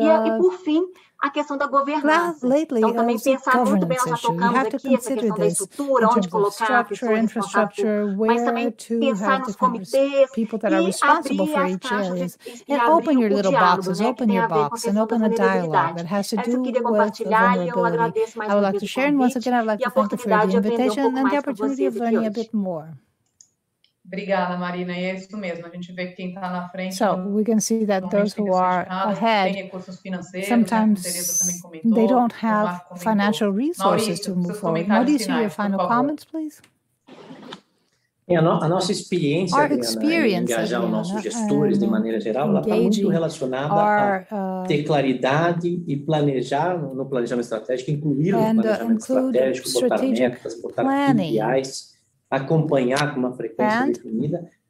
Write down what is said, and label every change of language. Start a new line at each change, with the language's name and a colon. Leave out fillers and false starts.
Portuguese: E por fim, a questão da governança. Lately, então, também pensar muito bem, nós já tocamos aqui, essa questão da estrutura, onde colocar a pessoa responsável, mas também pensar nos comitês e abrir as caixas e abrir o diálogo, boxes, né, que tem a ver com a questão da vulnerabilidade. Essa eu queria compartilhar e eu agradeço mais uma vez o convite e a oportunidade de aprender um pouco mais com vocês aqui hoje. Obrigada, Marina. E é isso mesmo. A gente vê que quem está na frente.
English: So, we can see that those who are ahead, sometimes they don't have financial resources to move forward. What do you see your final comments, please?
Portuguese: A nossa experiência,
English: Adriana, experience,
Portuguese: em engajar os nossos gestores de maneira geral, ela está muito relacionada a ter claridade e planejar no planejamento estratégico, incluir no planejamento estratégico, botar metas, botar KPIs, acompanhar com uma frequência definida,